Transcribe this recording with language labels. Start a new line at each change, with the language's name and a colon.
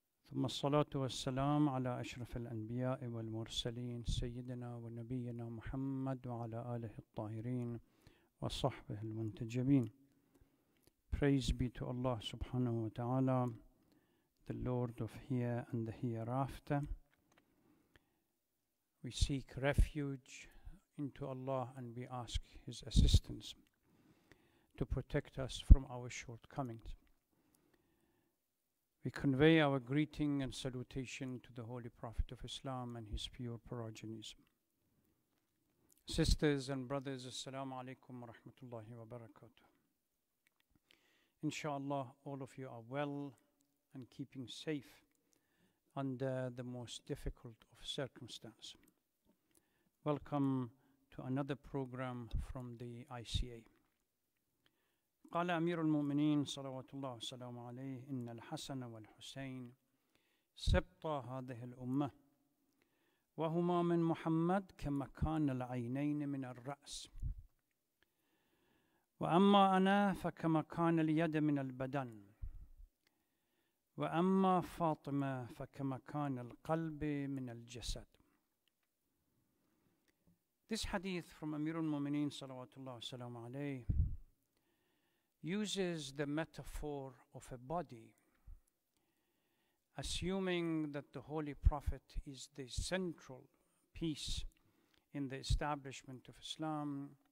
Arabic: ثم الصلاة والسلام على أشرف الأنبياء والمرسلين سيدنا ونبينا محمد وعلى آله الطاهرين وصحبه المنتجبين
English: Praise be to Allah subhanahu wa ta'ala, the Lord of here and the hereafter. We seek refuge into Allah and we ask His assistance to protect us from our shortcomings. We convey our greeting and salutation to the Holy Prophet of Islam and his pure progenies. Sisters and brothers, assalamu alaikum wa rahmatullahi wa barakatuh. Inshallah, all of you are well and keeping safe under the most difficult of circumstances. Welcome to another program from the ICA.
Arabic: قال أمير المؤمنين صلوات الله وسلام عليه إن الحسن والحسين سبط هذه الأمة وهما من محمد كما كان العينين من الرأس وأما أنا فكما كان اليد من البدن وأما فاطمة فكما كان القلب من الجسد.
English: This hadith from
Arabic: أمير المؤمنين صلوات الله وسلام عليه
English: uses the metaphor of a body, assuming that the Holy Prophet is the central piece in the establishment of Islam.